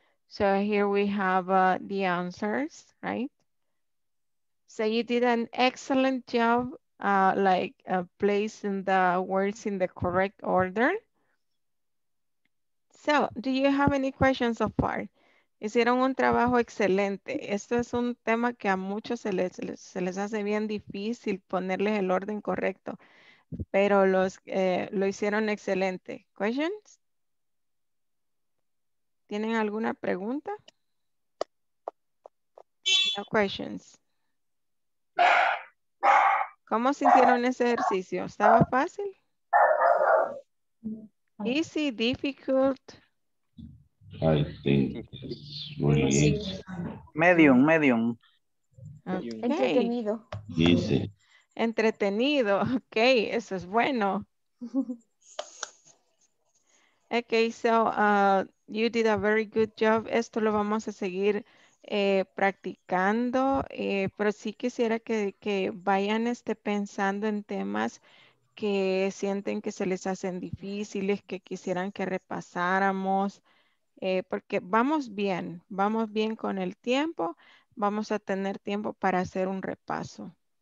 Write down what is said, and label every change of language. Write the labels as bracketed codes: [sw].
[en] So here we have the answers, right? So you did an excellent job, placing the words in the correct order. So do you have any questions so far? [es] Hicieron un trabajo excelente. Esto es un tema que a muchos se les hace bien difícil ponerles el orden correcto, pero lo hicieron excelente. [en] Questions? [es] ¿Tienen alguna pregunta? [en] No questions. [es] ¿Cómo sintieron ese ejercicio? ¿Estaba fácil? [en] Easy, difficult. I think it's really easy. Medium. Okay. [es] Entretenido. Easy. Entretenido, okay, eso es bueno. [en] Okay, so you did a very good job. [es] Esto lo vamos a seguir practicando, pero sí quisiera que vayan pensando en temas que sienten que se les hacen difíciles, que quisieran que repasáramos. Porque vamos bien con el tiempo, vamos a tener tiempo para hacer un repaso.